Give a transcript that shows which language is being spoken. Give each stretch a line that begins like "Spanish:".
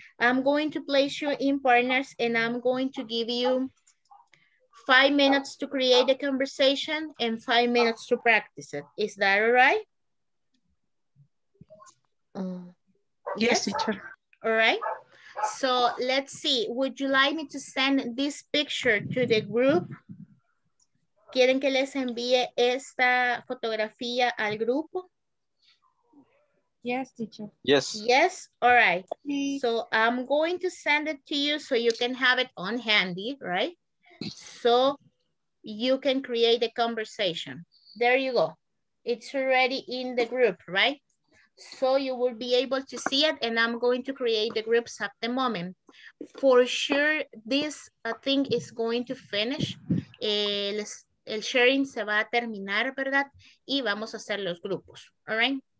English: I'm going to place you in partners and I'm going to give you 5 minutes to create a conversation and 5 minutes to practice it. Is that all right? Yes, teacher. All right. So let's see. Would you like me to send this picture to the group?
Spanish: ¿Quieren que les envíe esta fotografía al grupo?
English: Yes, teacher. Yes. Yes. All right. So I'm going to send it to you so you can have it on handy, right? So you can create a conversation. There you go. It's already in the group, right? So you will be able to see it, and I'm going to create the groups at the moment. For sure, this thing is going to finish.
Spanish: El sharing se va a terminar, ¿verdad? Y vamos a hacer los grupos,
English: all right?